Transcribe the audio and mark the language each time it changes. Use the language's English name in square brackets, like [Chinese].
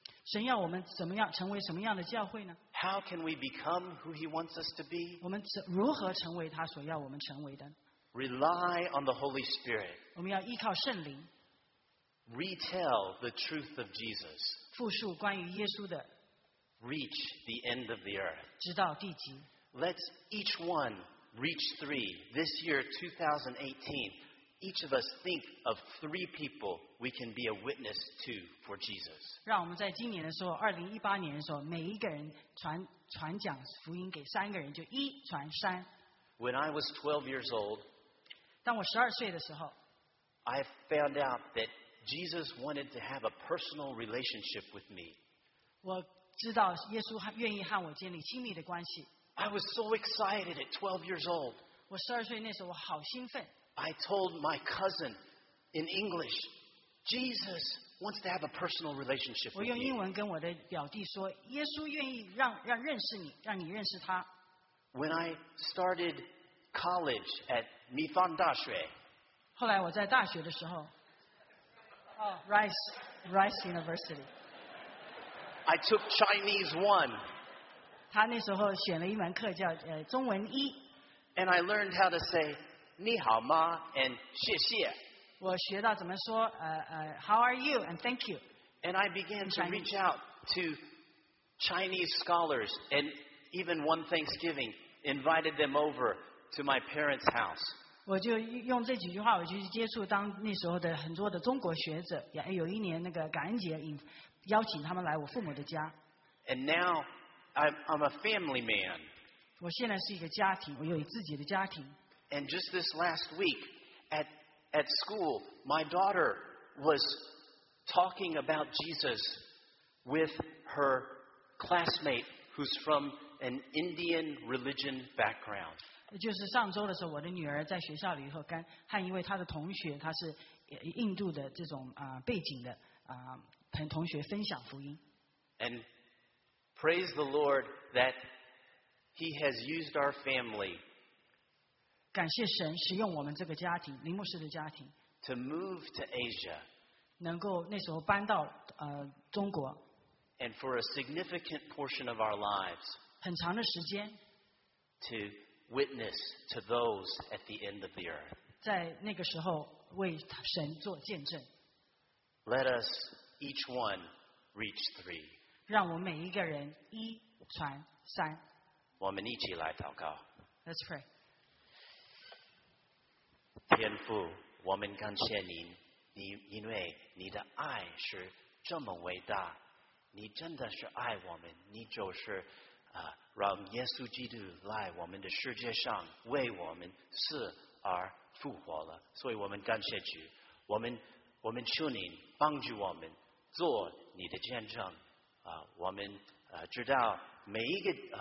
[Chinese] 神要我们怎么样成为什么样的教会呢 [English] ？How can we become who He wants us to be? [Chinese] 我们如何成为他所要我们成为的 [English] ？Rely on the Holy Spirit. [Chinese] 我们要依靠圣灵。 [English] Retell the truth of Jesus. [Chinese] 复述关于耶稣的。 [English] Reach the end of the earth. [Chinese] 直到地极。 [English] Let's each one reach three. This year, 2018, each of us think of three people we can be a witness to for Jesus. [Chinese] 让我们在今年的时候，2018年的时候，每一个人传讲福音给三个人，就一传三。 [English] When I was 12 years old, [Chinese] 当我十二岁的时候 [English] I found out that Jesus wanted to have a personal relationship with me. [Chinese] 我知道耶稣愿意和我建立亲密的关系。 [English] I was so excited at 12 years old. [Chinese] 我十二岁那时候我好兴奋。 [English] I told my cousin in English, Jesus wants to have a personal relationship with you. [Chinese] 我用英文跟我的表弟说，耶稣愿意让认识你，让你认识他。 [English] When I started college at Mi Fan [Chinese] 大学，后来我在大学的时候 ，Rice。Rice University. [English] I took Chinese 1. [Chinese] 他那时候选了一门课叫中文一。 [English] And I learned how to say [Chinese] 你好吗 [English] and [Chinese] 谢谢。我学到怎么说 [English] how are you and thank you. And I began to reach out to Chinese scholars and even one Thanksgiving invited them over to my parents' house. [Chinese] 我就用这几句话我就去接触当那时候的很多的中国学者也有一年那个感恩节邀请他们来我父母的家。 [English] And now I'm a family man. [Chinese] 我现在是一个家庭我有自己的家庭。 [English] And just this last week at school, my daughter was talking about Jesus with her classmate who's from an Indian religion background. [Chinese] 就是上周的时候我的女儿在学校里头跟和一位她的同学她是印度的这种背景的同学分享福音。 [English] And praise the Lord that He has used our family [Chinese] 感谢神使用我们这个家庭林牧师的家庭 [English] to move to Asia [Chinese] 能够那时候搬到中国 [English] and for a significant portion of our lives [Chinese] 很长的时间 [English] to witness to those at the end of the earth [Chinese] 在那个时候为神做见证 [English] Let us each one reach 3 [Chinese] 让我们每一个人一传三我们一起来祷告 [English] Let's pray [Chinese] 天父我们感谢您你因为你的爱是这么伟大你真的是爱我们你就是让耶稣基督来我们的世界上为我们死而复活了所以我们感谢主我们求您帮助我们做你的见证我们知道每一个